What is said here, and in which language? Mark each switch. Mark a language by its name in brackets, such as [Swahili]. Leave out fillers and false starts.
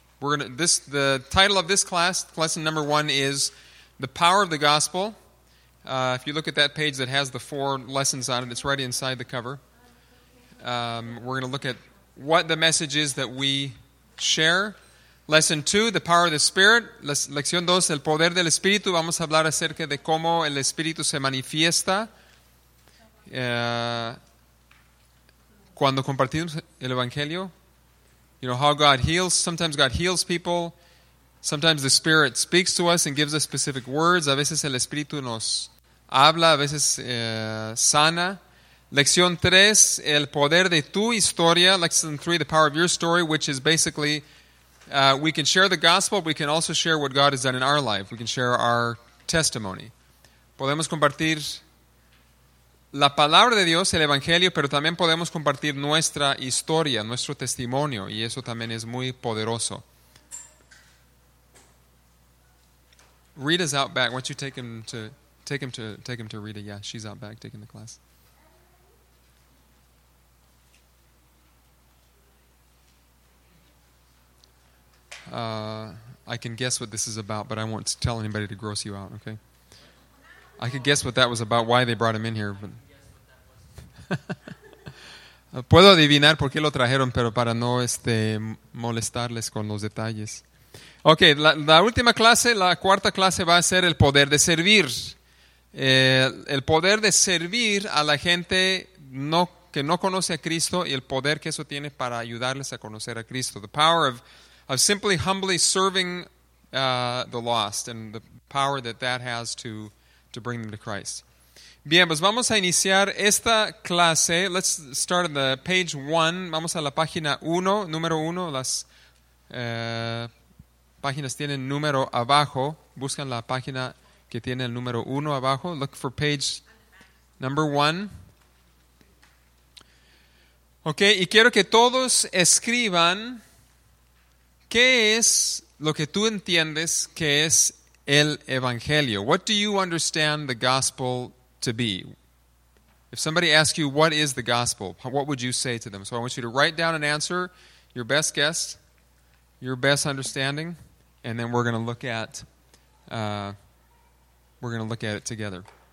[English] The title of this class, lesson number one, is The Power of the Gospel. If you look at that page that has the four lessons on it, it's right inside the cover. We're going to look at what the message is that we share. Lesson 2, The Power of the Spirit. [Spanish] Lección 2, El Poder del Espíritu. Vamos a hablar acerca de cómo el Espíritu se manifiesta cuando compartimos el Evangelio. [English] You know, how God heals. Sometimes God heals people. Sometimes the Spirit speaks to us and gives us specific words. [Spanish] A veces el Espíritu nos habla, a veces sana. Lección 3, El Poder de Tu Historia. [English] Lesson 3, The Power of Your Story, which is basically... we can share the gospel, we can also share what God has done in our life. We can share our testimony. [Spanish] Podemos compartir la palabra de Dios, el evangelio, pero también podemos compartir nuestra historia, nuestro testimonio, y eso también es muy poderoso. [English] Rita's out back. Why don't you take him to Rita? Yeah, she's out back taking the class. I can guess what this is about, but I won't tell anybody to gross you out, okay? I could guess what that was about, why they brought him in here. But... [Spanish] Puedo adivinar por qué lo trajeron, pero para no molestarles con los detalles. Okay, la última clase, la cuarta clase va a ser el poder de servir. El poder de servir a la gente que no conoce a Cristo y el poder que eso tiene para ayudarles a conocer a Cristo. [English] The power of simply humbly serving the lost and the power that has to bring them to Christ. [Spanish] Bien, pues vamos a iniciar esta clase. [English] Let's start on the page one. [Spanish] Vamos a la página uno, número uno. Las páginas tienen número abajo. Buscan la página que tiene el número uno abajo. [English] Look for page number one. [Spanish] Okay, y quiero que todos escriban... ¿Qué es lo que tú entiendes que es el Evangelio? [English] What do you understand the gospel to be? If somebody asks you, what is the gospel? What would you say to them? So I want you to write down an answer, your best guess, your best understanding, and then we're going to look at it together.